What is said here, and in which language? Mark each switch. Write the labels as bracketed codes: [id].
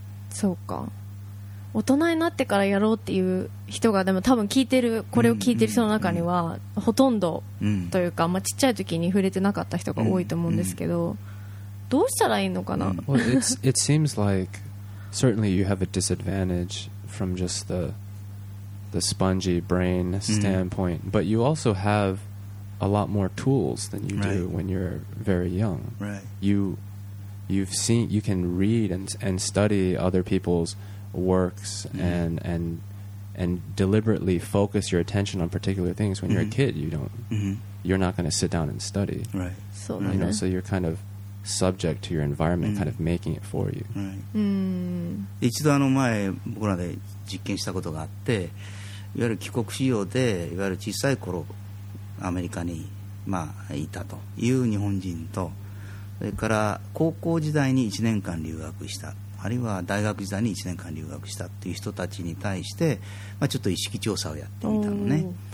[ja] そうか、大人になってからやろうっていう人が、でも多分聞いてる、これを聞いてる人の中にはほとんどというか、まあ、ちっちゃい時に触れてなかった人が多いと思うんですけど、どうしたらいいのかな。 [en] It seems like certainly you have a disadvantage from just the spongy brain standpoint, but you also haveA lot more tools than you do when you're very young. Right. You've seen, you can read and study other people's works and deliberately focus your attention on particular things. When you're a kid, you don't. You're not going to sit down and study. Right. So you know, so you're kind of subject to your environment, kind of making it for you. Right. [ja] 一度前僕らで実験したことがあって、いわゆる帰国子女で、いわゆる小さい頃アメリカに、まあ、いたという日本人と、それから高校時代に1年間留学した、あるいは大学時代に1年間留学したという人たちに対して、まあ、ちょっと意識調査をやってみたのね。